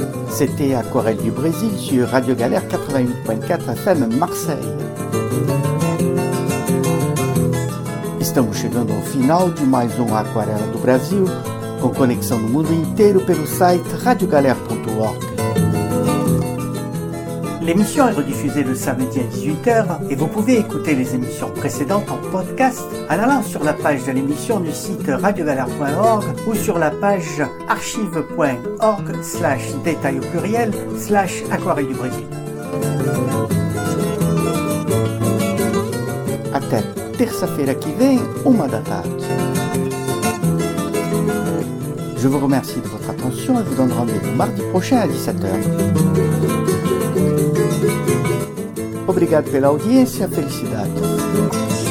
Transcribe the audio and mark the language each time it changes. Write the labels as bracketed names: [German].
[French] C'était Aquarelle du Brésil sur Radio Galère 88.4 FM Marseille. [Portuguese] Estamos chegando ao final de mais um Aquarela do Brasil, com conexão no mundo inteiro pelo site radiogalère.org. [French] L'émission est rediffusée le samedi à 18h et vous pouvez écouter les émissions précédentes en podcast en allant sur la page de l'émission du site radiogalère.org ou sur la page archive.org/détail au pluriel/aquarelle du Brésil. À tête. [Portuguese] Terça-feira que vem, 1 da tarde. [French] Je vous remercie de votre attention et vous donne rendez-vous mardi prochain à 17h. [Portuguese] Obrigado pela audiência, felicidade.